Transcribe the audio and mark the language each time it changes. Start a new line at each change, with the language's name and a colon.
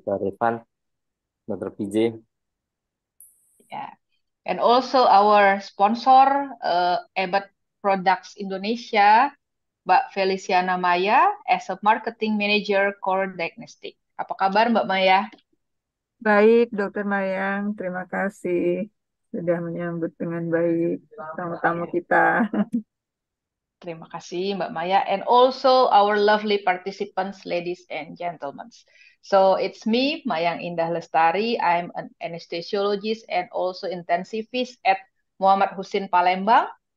English: Dr. Rifan, Dr. PJ. Yeah. And also our sponsor, Abbott Products Indonesia, Mbak Feliciana Maya, as a Marketing Manager Core Diagnostic.
Indonesian: Apa kabar, Mbak Maya? Baik, Dr. Mayang. Terima kasih sudah menyambut dengan baik tamu-tamu kita. Terima kasih, Mbak Maya.
English: And also our lovely participants, ladies and gentlemen. So it's me, Mayang Indah Lestari. I'm an anesthesiologist and also intensivist at Muhammad Husin Palembang.